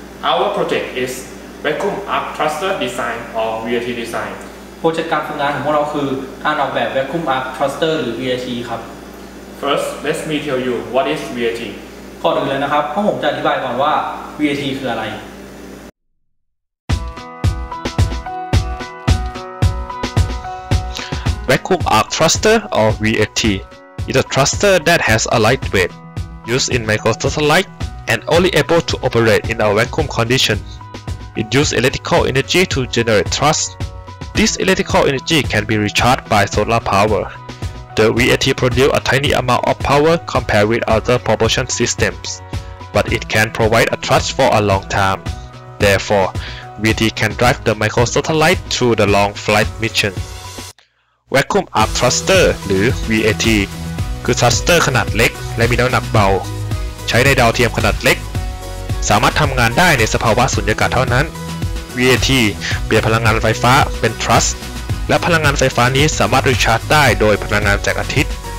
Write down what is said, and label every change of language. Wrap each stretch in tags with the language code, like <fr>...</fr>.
<en>Our project is vacuum up thruster design or VAT design.</en> <th>โปรเจกต์การฝึกงานของพวกเราคือการออกแบบ vacuum up thruster หรือ VAT ครับ</th> <en>First, let me tell you what is VAT.</en> <th>ก่อนอื่นเลยนะครับพวกผมจะอธิบายก่อนว่า VAT คืออะไร</th> <en>Vacuum arc thruster or VAT is a thruster that has a light weight used in microsatellite and only able to operate in a vacuum condition. It uses electrical energy to generate thrust. This electrical energy can be recharged by solar power. The VAT produces a tiny amount of power compared with other propulsion systems, but it can provide a thrust for a long time. Therefore, VAT can drive the microsatellite through the long flight mission.</en> <th>Vacuum arc thruster หรือ VAT คือ thruster ขนาดเล็กและมีน้ำหนักเบาใช้ในดาวเทียมขนาดเล็กสามารถทำงานได้ในสภาวะสุญญากาศเท่านั้น VAT เปลี่ยนพลังงานไฟฟ้าเป็น thrust และพลังงานไฟฟ้านี้สามารถรีชาร์จได้โดยพลังงานแสงอาทิตย์</th>